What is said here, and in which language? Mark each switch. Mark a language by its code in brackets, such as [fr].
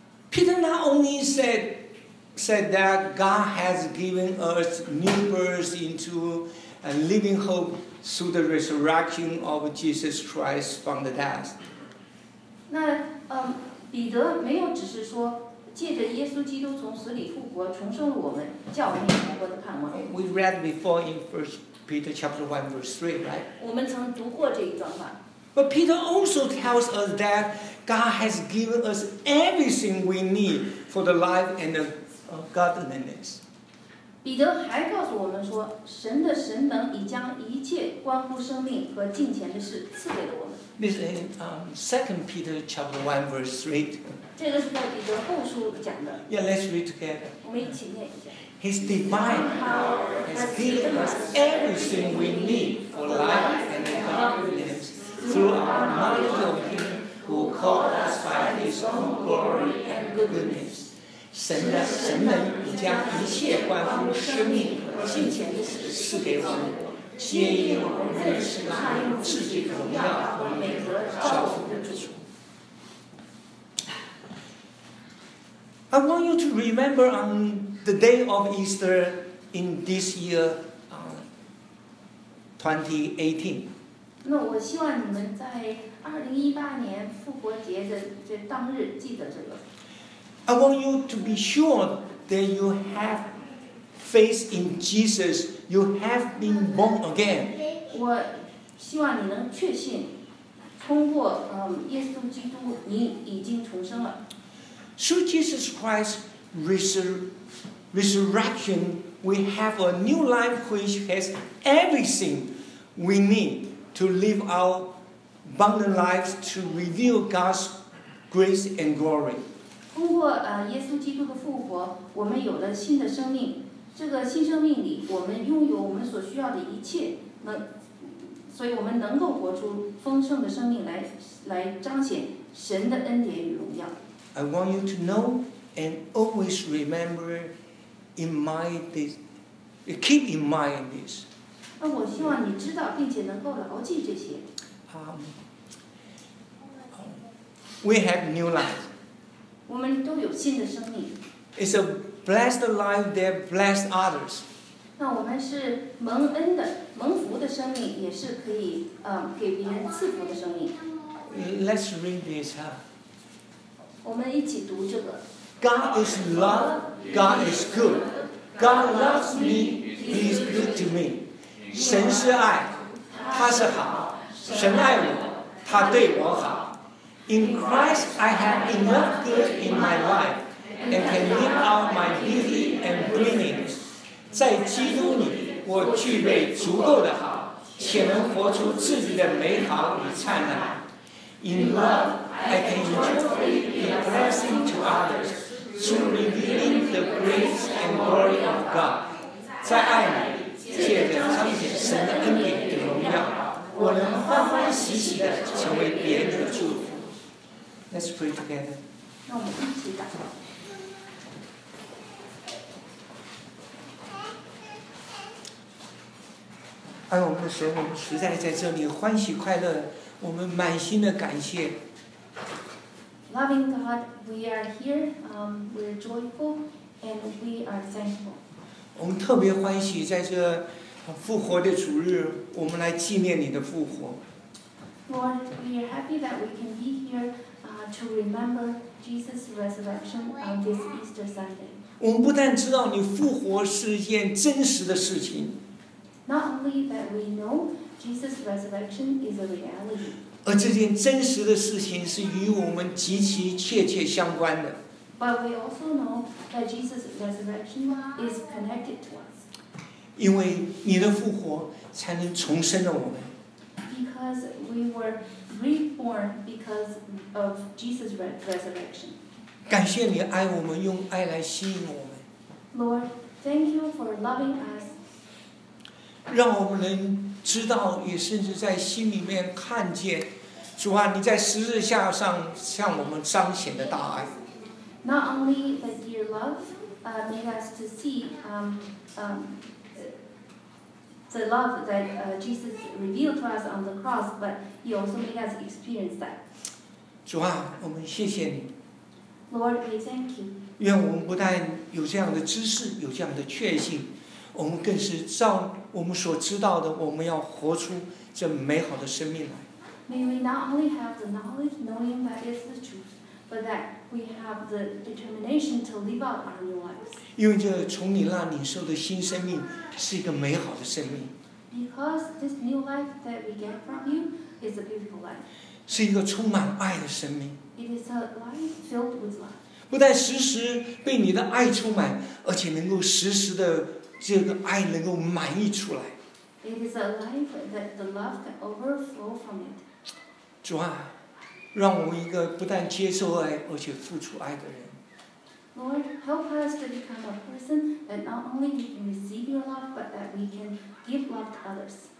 [en] Peter not only said that God has given us new birth into a living hope through the resurrection of Jesus Christ from the dead. [zh] 那彼得没有只是说借着耶稣基督从死里复活重生了我们，叫我们有复活的盼望。 [en] We read before in 1 Peter chapter 1 verse 3, right? [zh] 我们曾读过这一段话。 [en] But Peter also tells us that God has given us everything we need for the life and the godliness. [zh] 彼得还告诉我们说，神的神能已将一切关乎生命和金钱的事赐给了我们。 [en] This is in 2 Peter chapter 1 verse 3. [zh] 这个是在彼得后书讲的。 [en] Yeah, let's read together. [zh] 我们一起念一下。 [en] His divine power has given us everything we need for life and godliness. Through our knowledge of Him who called us by His own glory and goodness. [zh] 神的神能已将一切关乎生命和金钱的事赐给我们，皆因我们认识他用自己的荣耀和美德造福的主。 [en] I want you to remember on the day of Easter in this year, 2018. [zh] 那我希望你们在2018年复活节的这当日记得这个。 [en] I want you to be sure that you have faith in Jesus. You have been born again. [zh] 我希望你能确信，通过耶稣基督，你已经重生了。 [en] Through Jesus Christ's resurrection, we have a new life which has everything we need. To live our abundant lives to reveal God's grace and glory. [zh] 通过耶稣基督的复活，我们有了新的生命。这个新生命里，我们拥有我们所需要的一切，所以我们能够活出丰盛的生命来彰显神的恩典与荣耀。 [en] I want you to know and always remember in mind this, keep in mind this. [zh] 那我希望你知道并且能够牢记这些。 [en] We have new life. [zh] 我们都有新的生命。 [en] It's a blessed life that blesses others. [zh] 那我们是蒙恩的，蒙福的生命，也是可以给别人赐福的生命。 [en] Let's read this, huh? [zh] 我们一起读这个。 [en] God is love. God is good. God loves me. He is good to me. [zh] 神是爱，他是好。神爱我，他对我好。 [en] In Christ, I have enough good in my life and can live out my beauty and brilliance. [zh] 在基督里，我具备足够的好，且能活出自己的美好与灿烂。 [en] In love, I can enjoy the blessing to others through revealing the grace and glory of God. [zh] 在爱里。借着彰显神的恩典与荣耀，我能欢欢喜喜地成为别人的祝福。 [en] Let's pray together. [zh] 那我们一起祷告。爱我们的神，我们实在这里欢喜快乐，我们满心的感谢。 [en] Loving God, we are here. We're joyful. And we are thankful. [zh] 我们特别欢喜在这复活的主日，我们来纪念你的复活。 [en] Lord, we are happy that we can be here, to remember Jesus' resurrection on this Easter Sunday. [zh] 我们不但知道你复活是一件真实的事情。 [en] Not only that we know Jesus' resurrection is a reality. [zh] 而这件真实的事情是与我们极其切切相关的。 [en] But we also know that Jesus' resurrection is connected to us. [zh] 因为你的复活才能重生了我们。 [en] Because we were reborn because of Jesus' resurrection. [zh] 感谢你爱我们，用爱来吸引我们。 [en] Lord, thank you for loving us. [zh] 让我们能知道，也甚至在心里面看见，主啊，你在十字架上向我们彰显的大爱。 [en] Not only that your love made us to see the love that Jesus revealed to us on the cross, but He also made us experience that. [zh] 主啊，我们谢谢你。 [en] Lord, we thank you. [zh] 愿我们不但有这样的知识，有这样的确信，我们更是照我们所知道的，我们要活出这美好的生命来。 [en] May we not only have the knowledge, knowing that is the truth, but that we have the determination to live out our new lives. [zh] 因为这从你那领受的新生命是一个美好的生命。 [en] Because this new life that we get from you is a beautiful life. [zh] 是一个充满爱的生命。 [en] It is a life filled with love. [zh] 不但时时被你的爱充满，而且能够时时的这个爱能够满溢出来。 [en] It is a life that the love can overflow from it. [zh] 主啊，让我们一个不但接受爱，而且付出爱的人。 [en] Lord, help us to become a person that not only we can receive your love, but that we can give love to others.